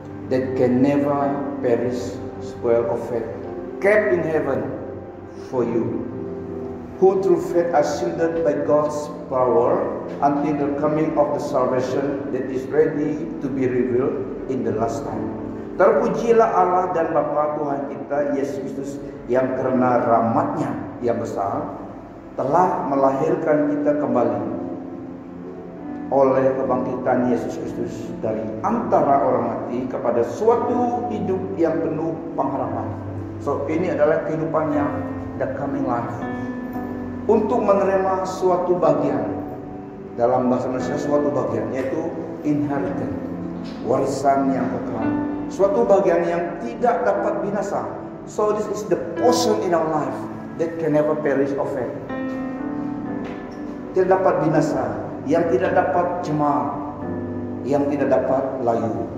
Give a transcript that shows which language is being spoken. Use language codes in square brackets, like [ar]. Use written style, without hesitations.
[en] that can never perish, spoil, or fade, kept in heaven for you, who through faith are shielded by God's power until the coming of the salvation that is ready to be revealed in the last time. [id] Terpujilah Allah dan Bapa Tuhan kita Yesus Kristus yang karena rahmat-Nya yang besar telah melahirkan kita kembali oleh kebangkitan Yesus Kristus dari antara orang mati kepada suatu hidup yang penuh pengharapan. So ini adalah kehidupan yang [en] the coming life. [id] Untuk menerima suatu bagian, dalam bahasa Indonesia suatu bagian, yaitu inheritance, warisan yang kekal. Suatu bagian yang tidak dapat binasa. [en] So this is the portion in our life that can never perish or fail. [id] Tidak dapat binasa, yang tidak dapat cemar, yang tidak dapat layu.